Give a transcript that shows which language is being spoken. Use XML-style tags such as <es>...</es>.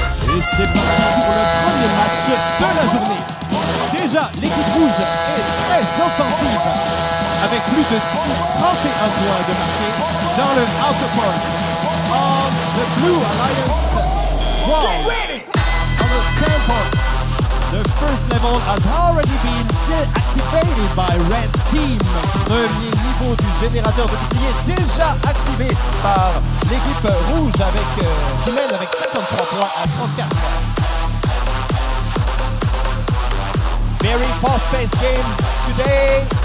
<fr>Et c'est parti pour le premier match de la journée. Déjà, l'équipe rouge est très offensive, avec plus de 31 points de marqué dans le Outer Park.</fr> <en>On the Blue Alliance wall. Get ready! On the Outer Park, the first level has already been deactivated by Red Team.</en> <fr>Premier niveau du générateur de boucliers déjà activé par l'équipe rouge avec Jumel avec 53 points à 34.</fr> <en>Very fast-paced game today.</en>